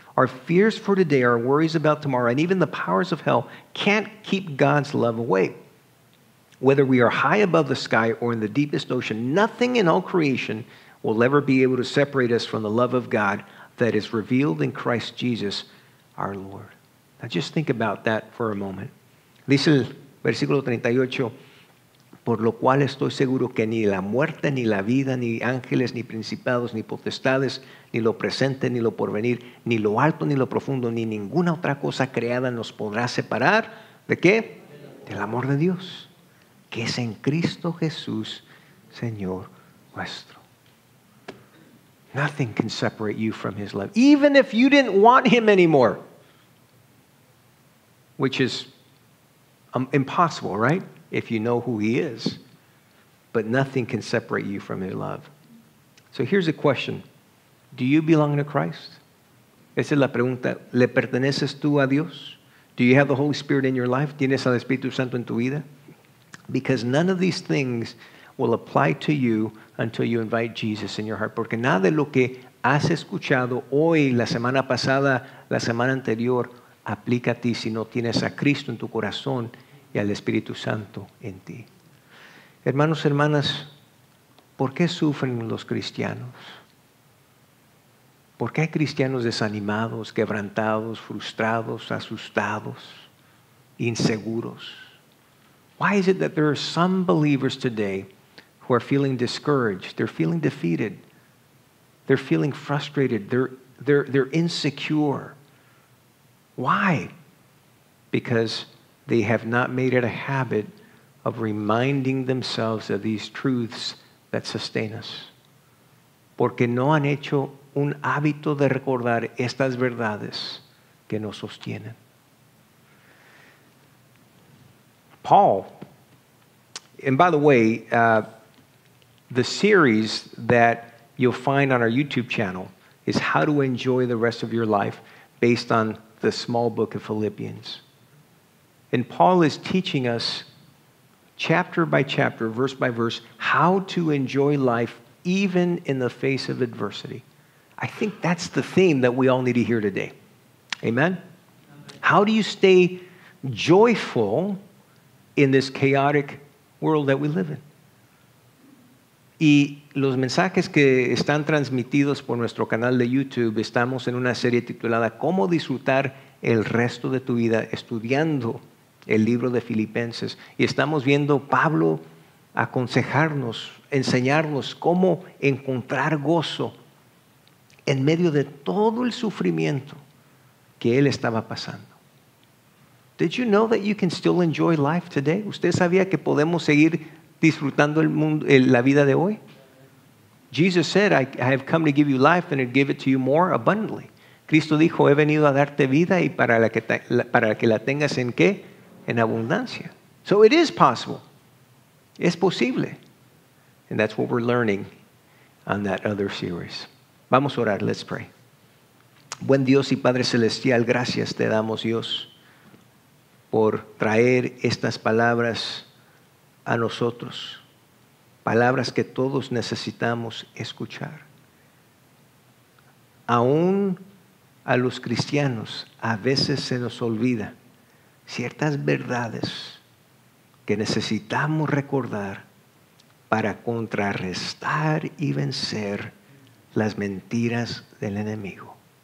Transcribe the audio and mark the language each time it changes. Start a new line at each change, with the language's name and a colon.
English: Our fears for today, our worries about tomorrow, and even the powers of hell can't keep God's love away. Whether we are high above the sky or in the deepest ocean, nothing in all creation will ever be able to separate us from the love of God that is revealed in Christ Jesus, our Lord. Now just think about that for a moment.
Spanish: Dice el versículo 38, por lo cual estoy seguro que ni la muerte, ni la vida, ni ángeles, ni principados, ni potestades, ni lo presente, ni lo porvenir, ni lo alto, ni lo profundo, ni ninguna otra cosa creada nos podrá separar. ¿De qué? Del amor de Dios. Que es en Cristo Jesús, Señor nuestro.
English: Nothing can separate you from his love. Even if you didn't want him anymore. Which is Impossible, right? If you know who he is. But nothing can separate you from his love. So here's a question. Do you belong to Christ?
Spanish: Esa es la pregunta. ¿Le perteneces tú a Dios?
English: Do you have the Holy Spirit in your life?
Spanish: ¿Tienes al Espíritu Santo en tu vida?
English: Because none of these things will apply to you until you invite Jesus in your heart.
Spanish: Porque nada de lo que has escuchado hoy, la semana pasada, la semana anterior, aplica a ti si no tienes a Cristo en tu corazón y al Espíritu Santo en ti. Hermanos, hermanas, ¿por qué sufren los cristianos? ¿Por qué hay cristianos desanimados, quebrantados, frustrados, asustados, inseguros?
English: Why is it that there are some believers today who are feeling discouraged? They're feeling defeated. They're feeling frustrated. They're insecure. Why? Because they have not made it a habit of reminding themselves of these truths that sustain us. Porque no han hecho un hábito de recordar estas verdades que nos sostienen. Paul, and by the way, the series that you'll find on our YouTube channel is How to Enjoy the Rest of Your Life based on the small book of Philippians. And Paul is teaching us chapter by chapter, verse by verse, how to enjoy life even in the face of adversity. I think that's the theme that we all need to hear today. Amen? How do you stay joyful in this chaotic world that we live in?
Spanish: Y los mensajes que están transmitidos por nuestro canal de YouTube, estamos en una serie titulada ¿Cómo disfrutar el resto de tu vida? Estudiando el libro de Filipenses. Y estamos viendo Pablo aconsejarnos, enseñarnos cómo encontrar gozo en medio de todo el sufrimiento que él estaba pasando.
English: Did you know that you can still enjoy life today?
Spanish: ¿Usted sabía que podemos seguir disfrutando el mundo, la vida de hoy?
English: Jesus said, I have come to give you life and to give it to you more abundantly.
Spanish: Cristo dijo, he venido a darte vida y para que la tengas en qué? En abundancia.
English: So it is possible.
Spanish: Es posible.
English: And that's what we're learning on that other series.
Spanish: Vamos a orar.
English: Let's pray.
Spanish: Buen Dios y Padre Celestial, gracias te damos, Dios, por traer estas palabras a nosotros, palabras que todos necesitamos escuchar. Aún a los cristianos a veces se nos olvida ciertas verdades que necesitamos recordar para contrarrestar y vencer las mentiras del enemigo.